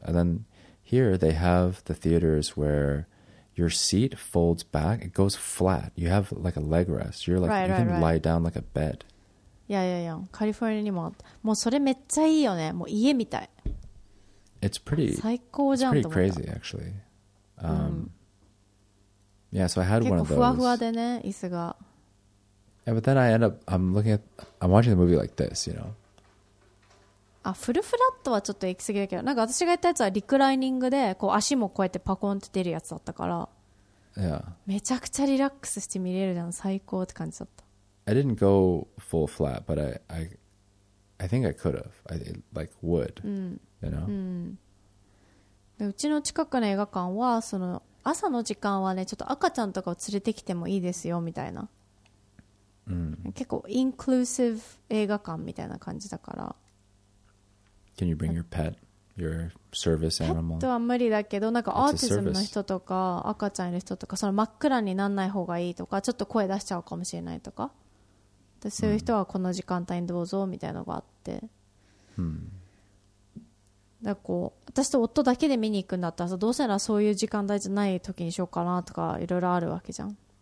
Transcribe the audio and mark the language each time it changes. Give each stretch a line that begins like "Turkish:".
English: And then here they have the theaters where your seat folds back, it goes flat. You have like a leg rest. You're like, right, you can right, lie right. down like a bed. Yeah, yeah, yeah.
Japanese: カリフォルニアにもあった。もうそれめっちゃいいよね。もう家みたい。
English: It's pretty,
Japanese: 最高じゃんと思った。
English: Pretty crazy, actually. Yeah, so I had one of those.
Japanese: 結構ふわふわでね、椅子が。
English: Yeah, but then I end up, I'm watching the movie like this, you know?
Japanese: あ、フルフラットはちょっと行き過ぎだけど、なんか私が言ったやつはリクライニングでこう足もこうやってパコンって出るやつだったから、
English: Yeah.
Japanese: めちゃくちゃリラックスして見れるじゃん。最高って感じだった。
English: I didn't go full flat, but I think I could have. I like would. You know?
Japanese: で、うちの近くの映画館はその朝の時間はね、ちょっと赤ちゃんとかを連れてきてもいいですよみたいな。結構インクルーシブ映画館みたいな感じだから。
English: Can you bring your pet, your service animal?
Japanese: ペットは無理だけど、なんかアーティズムの人とか赤ちゃんいる人とか、その真っ暗にならない方がいいとか、ちょっと声出しちゃうかもしれないとか、でそういう人はこの時間帯にどうぞみたいなのがあって、だからこう私と夫だけで見に行くんだったらさ、どうせならそういう時間帯じゃない時にしようかなとかいろいろあるわけじゃん。